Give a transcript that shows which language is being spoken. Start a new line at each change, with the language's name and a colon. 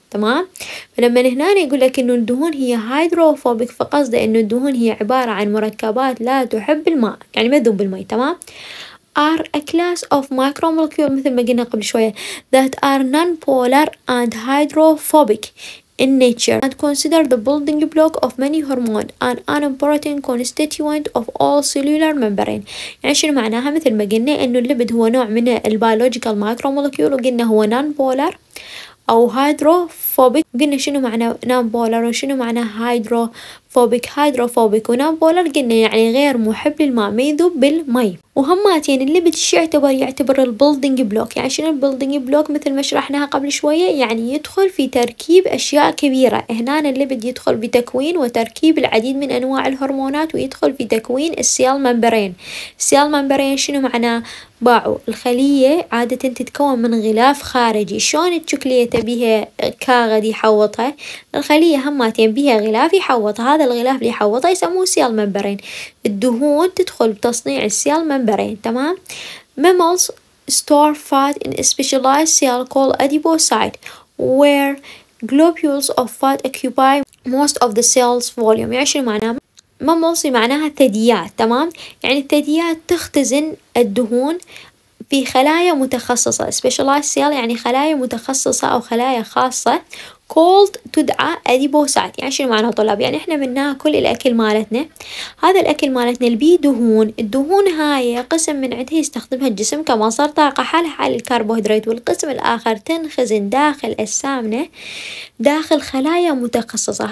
Arabic: تمام، فلما هنا يقول لك انه الدهون هي هيدروفوبيك فقصده انه الدهون هي عباره عن مركبات لا تحب الماء، يعني ما تذوب بالماء.
English: تمام، are a class of micromolecule
Arabic: مثل ما قلنا قبل شويه
English: That are non polar and hydrophobic. in nature and consider the building block of many hormones and an important constituent of all cellular membrane.
Arabic: يعني شنو معناها؟ مثل ما قلنا انه الليبيد هو نوع من البيولوجيكال مايكرومولكيول، وقلنا هو نان بولر او هيدروفوبيك. قلنا شنو معنى نان بولر وشنو معنى هيدروفوبيك؟ هيدروفوبيك ونان بولر قلنا يعني غير محب للماء، ما يذوب بالماء. وهماتين الليبيد شو يعتبر؟ يعتبر البولدنج بلوك. يعني شنو البولدنج بلوك؟ مثل ما شرحناها قبل شويه، يعني يدخل في تركيب اشياء كبيره. هنا الليبيد يدخل بتكوين وتركيب العديد من انواع الهرمونات، ويدخل في تكوين السيال ممبرين. السيال ممبرين شنو معناه؟ باعوا الخليه عاده تتكون من غلاف خارجي. شلون الشوكليته بها كاغد يحوطها؟ الخليه هماتين بها غلاف يحوطها، هذا الغلاف اللي يحوطها يسموه سيال ممبرين. الدهون تدخل بتصنيع السيال ممبرين، تمام؟
English: mammals store fat in a specialized cell called adipocyte where globules of fat occupy most of the cell's volume.
Arabic: يعني شنو معناها؟ mammals معناها ثدييات، تمام؟ يعني الثدييات تختزن الدهون في خلايا متخصصة،
English: specialized cell
Arabic: يعني خلايا متخصصة أو خلايا خاصة called تدعى أديبوسات. يعني شنو معناها طلاب؟ يعني إحنا بناكل الأكل مالتنا، هذا الأكل مالتنا البي دهون، الدهون هاي قسم من عندها يستخدمها الجسم كمصدر طاقة حالها حال الكربوهيدرات، والقسم الآخر تنخزن داخل أجسامنا داخل خلايا متخصصة.